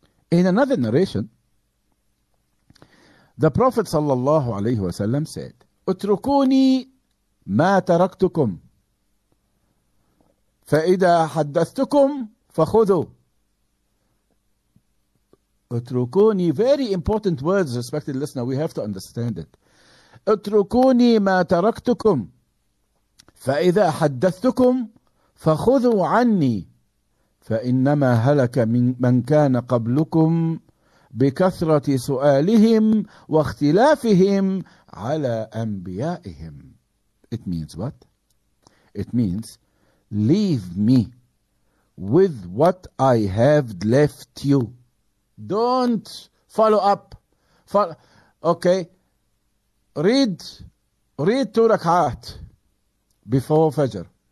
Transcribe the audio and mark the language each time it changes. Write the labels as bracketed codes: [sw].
[en] In another narration, the Prophet sallallahu alayhi wasallam said, [ar] "Utrukuni ma taraktukum, فَإِذَا حَدَّثْتُكُمْ فَخُذُوا." [en] اتركوني, very important words, respected listener, we have to understand it. [ar] اتركوني ما تركتكم فإذا حدثتكم فخذوا عني فإنما هلك من كان قبلكم بكثرة سؤالهم واختلافهم على أنبيائهم. [en] It means what? It means, leave me with what I have left you. Don't follow up. Okay. Read two rak'at before Fajr.